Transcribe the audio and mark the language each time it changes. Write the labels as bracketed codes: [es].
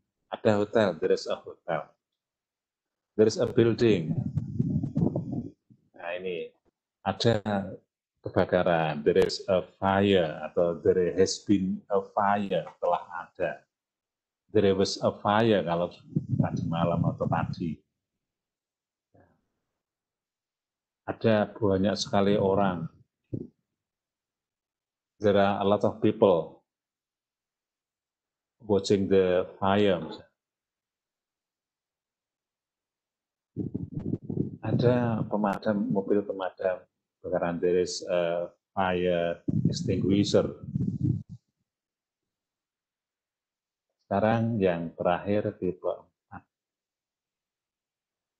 [id] Ada hotel, [en] there is a hotel. There is a building. [id] Nah ini, ada kebakaran, [en] there is a fire, atau there has been a fire, [id] telah ada. [en] There was a fire, [id] kalau tadi malam atau tadi. Ada banyak sekali orang. [en] There are a lot of people watching the fire. [id] Ada pemadam, mobil pemadam. Kebakaran, [en] there is a fire extinguisher. [id] Sekarang yang terakhir, tipe 4.